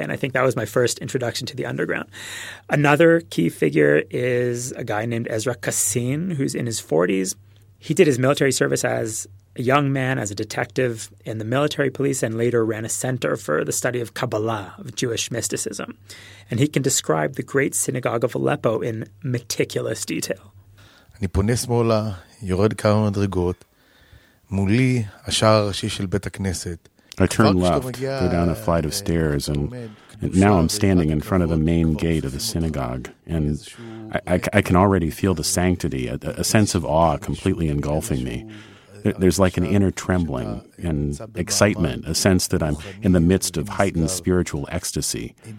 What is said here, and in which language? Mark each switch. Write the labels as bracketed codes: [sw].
[en] And I think that was my first introduction to the underground. Another key figure is a guy named Ezra Kassin, who's in his 40s. He did his military service as a young man, as a detective in the military police, and later ran a center for the study of Kabbalah, of Jewish mysticism. And he can describe the Great Synagogue of Aleppo in meticulous detail. [he] אני פונה שמאלה, יורד כמה מדרגות, מולי השער הראשי של בית הכנסת. [en] I turn left, go down a flight of stairs, and now I'm standing in front of the main gate of the synagogue, and I can already feel the sanctity, a sense of awe completely engulfing me. There's like an inner trembling and excitement, a sense that I'm in the midst of heightened spiritual ecstasy.